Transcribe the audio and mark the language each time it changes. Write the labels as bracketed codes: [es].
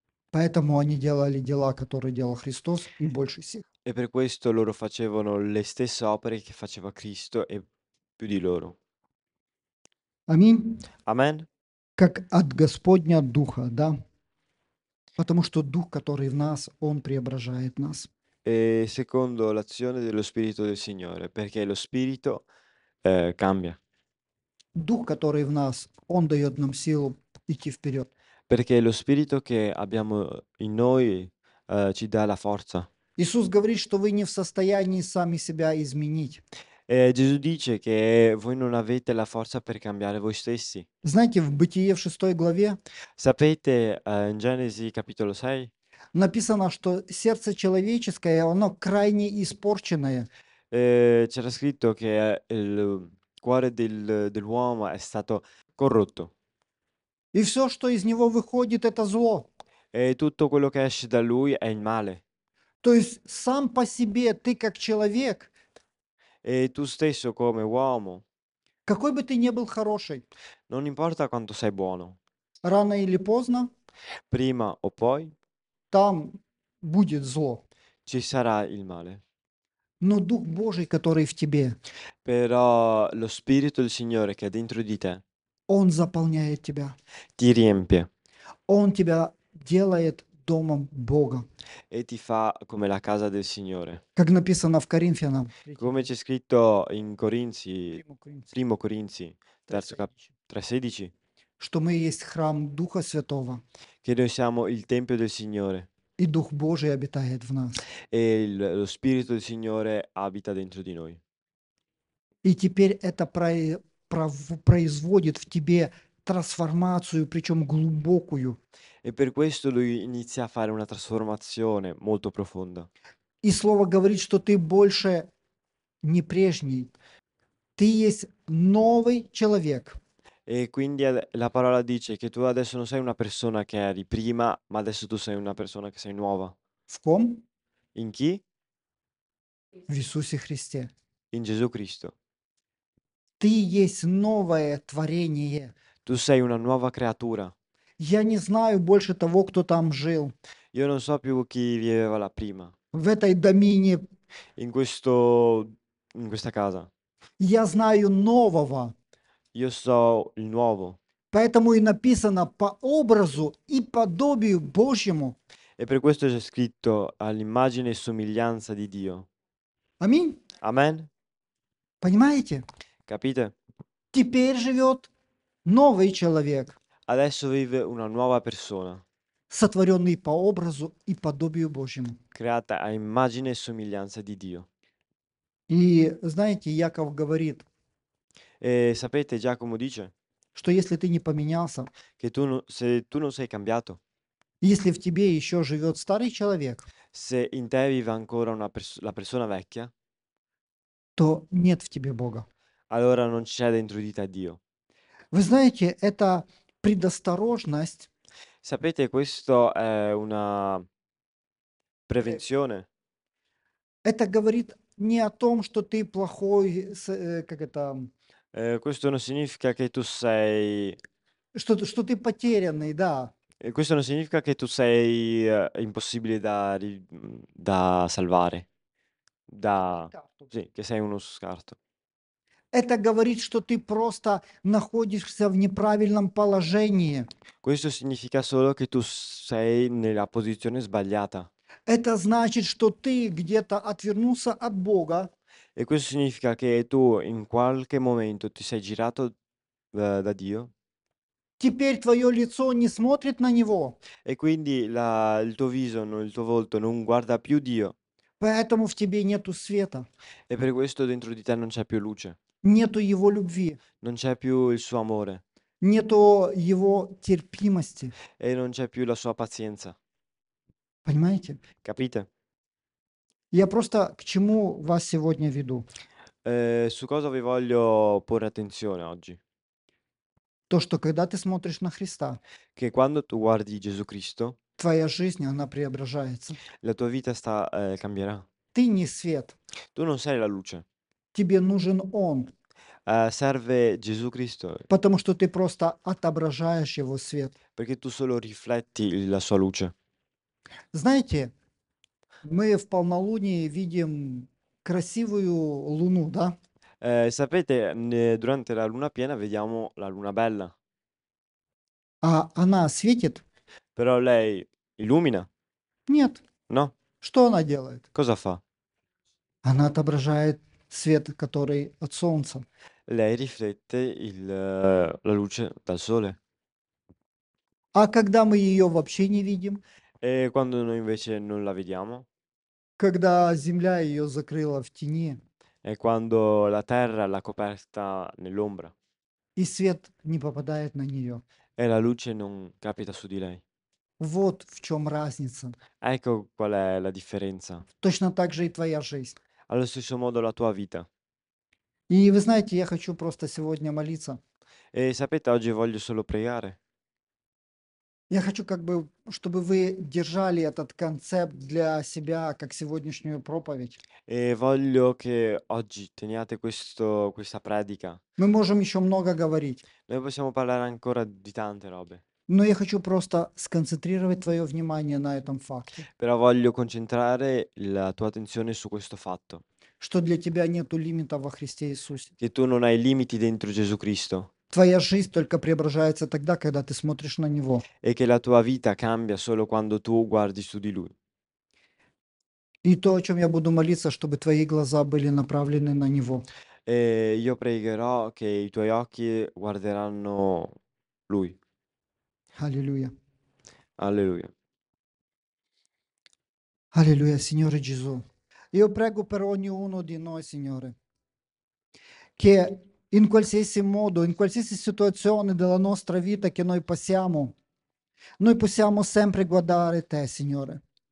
[ru] Поэтому они делали дела, которые делал Христос, и больше всех. [it] E per questo loro facevano le stesse opere che faceva Cristo e più di loro. [ru] Аминь. [it] Amen. [ru] Как от Господня Духа, да? Потому что Дух, который в нас, Он преображает нас. [it] E secondo l'azione dello Spirito del Signore, perché lo Spirito cambia. [ru] Дух, который в нас, Он дает нам силу идти вперед. [it] Perché lo Spirito che abbiamo in noi ci dà la forza. [ru] Иисус говорит, что вы не в состоянии сами себя изменить. [it] E Gesù dice che voi non avete la forza per cambiare voi stessi. [ru] Знаете, в Бытие в 6 главе [it] Sapete, in Genesi capitolo 6 [ru] написано, что сердце человеческое, оно крайне испорченное. [it] C'era scritto che il cuore dell'uomo è stato corrotto. [ru] И все, что из него выходит, это зло. [it] E tutto quello che esce da lui è il male. [ru] То есть сам по себе ты как человек. [it] E tu stesso come uomo. [ru] Какой бы ты ни был хороший. [it] Non importa quanto sei buono. [ru] Рано или поздно. [it] Prima o poi. [ru] Там будет зло. [it] Ci sarà il male. [ru] Но Дух Божий, который в тебе. [it] Però lo Spirito del Signore che è dentro di te. [ru] Он заполняет тебя. [it] Ti riempie. [ru] Он тебя делает домом Бога. [it] E ti fa come la casa del Signore. [ru] Как написано в Коринфянам. [it] Come c'è scritto in Corinzi, primo Corinzi, terzo capitolo 3:16. [ru] Что мы есть храм Духа Святого. [it] Che noi siamo il tempio del Signore. [ru] И Дух Божий обитает в нас. [it] E lo Spirito del Signore abita dentro di noi. [ru] И теперь это производит в тебе трансформацию, причем глубокую. [it] E per questo lui inizia a fare una trasformazione molto profonda. [ru] И слово говорит, что ты больше не прежний. Ты есть новый человек. [it] E quindi la parola dice che tu adesso non sei una persona che eri prima, ma adesso tu sei una persona che sei nuova. [ru] В ком? [it] In chi? [ru] В Иисусе Христе. [it] In Gesù Cristo. [ru] Ты есть новое творение. [it] Tu sei una nuova creatura. [ru] Я не знаю больше того, кто там жил. [it] Io non so più chi viveva là prima. [ru] В этой домине. [it] In questo, in questa casa. [ru] Я знаю нового. [it] Io so il nuovo. [ru] Поэтому и написано по образу и подобию Божьему. [it] E per questo c'è scritto all'immagine e somiglianza di Dio. [ru] Аминь. [it] Amen. [ru] Понимаете? [it] Capite? [ru] Теперь живет новый человек. [it] Adesso vive una nuova persona. [ru] Сотворенный по образу и подобию Божьему. [it] Creata a immagine e somiglianza di Dio. [ru] И знаете, Яков говорит. [it] sapete, Giacomo dice [ru] Что если ты не поменялся, [it] che tu, se tu non sei cambiato, [ru] если в тебе еще живет старый человек, [it] se in te vive ancora una la persona vecchia, [ru] то нет в тебе Бога. [it] allora non c'è dentro di te Dio. [ru] Вы знаете, это предосторожность. [it] Sapete, questo è una prevenzione. [ru] Это говорит не о том, что ты плохой, как это... [it] Questo non significa che tu sei... [ru] Что ты потерянный, да. [it] Questo non significa che tu sei impossibile da salvare. Da... Sì, che sei uno scarto. [ru] Это говорит, что ты просто находишься в неправильном положении. [it] Questo significa solo che tu sei nella posizione sbagliata. [ru] Это значит, что ты где-то отвернулся от Бога. [it] E questo significa che tu in qualche momento ti sei girato da Dio. [ru] Теперь твое лицо не смотрит на него. [it] E quindi il tuo viso, il tuo volto non guarda più Dio. [ru] Поэтому в тебе нету света. [it] E per questo dentro di te non c'è più luce. [ru] Нету его любви. [it] Non c'è più il suo amore. [ru] Нету его терпимости. [it] E non c'è più la sua pazienza. [ru] Понимаете? [it] Capite? [ru] Я просто к чему вас сегодня веду. [it] Su cosa vi voglio porre attenzione oggi? [ru] То, что когда ты смотришь на Христа, [it] che quando tu guardi Gesù Cristo, [ru] твоя жизнь, она преображается. [it] La tua vita cambierà. [ru] Ты не свет. [it] Tu non sei la luce. [ru] Тебе нужен Он. [it] Serve Gesù Cristo. [ru] Потому что ты просто отображаешь Его свет. [it] Perché tu solo rifletti la sua luce. [ru] Знаете, мы в полнолунии видим красивую луну, да? [it] Sapete, durante la luna piena vediamo la luna bella. [ru] А она светит? [it] Però lei illumina? [ru] Нет. [it] No. [ru] Что она делает? [it] Cosa fa? [ru] Она отображает свет, который от солнца. [it] Lei riflette la luce dal sole. [ru] А когда мы ее вообще не видим? [it] E quando noi invece non la vediamo? [ru] Когда земля ее закрыла в тени. [it] E quando la terra l'ha coperta nell'ombra. [ru] И свет не попадает на нее. [it] E la luce non capita su di lei. [ru] Вот в чем разница. [it] Ecco qual è la differenza. [ru] Точно так же и твоя жизнь. [it] Allo stesso modo la tua vita. [ru] И вы знаете, я хочу просто сегодня молиться. [it] E sapete, oggi voglio solo pregare. [ru] Я хочу, как бы, чтобы вы держали этот концепт для себя, как сегодняшнюю проповедь. [it] E voglio che oggi teniate questa predica. [ru] Мы можем еще много говорить. [it] Noi possiamo parlare ancora di tante robe. [ru] Но я хочу просто сконцентрировать твое внимание на этом факте. [it] Però voglio concentrare la tua attenzione su questo fatto. [ru] Что для тебя нету лимита во Христе Иисусе. [it] Che tu non hai limiti dentro Gesù Cristo. [ru] Твоя жизнь только преображается тогда, когда ты смотришь на Него. [it] E che la tua vita cambia solo quando tu guardi su di Lui. [ru] И то, о чем я буду молиться, чтобы твои глаза были направлены на Него. [it] E io pregherò che i tuoi occhi guarderanno Lui. Alleluia. Alleluia. Alleluia, Signore Gesù. Io prego per ognuno di noi, Signore, che in qualsiasi modo, in qualsiasi situazione della nostra vita che noi possiamo sempre guardare Te, Signore.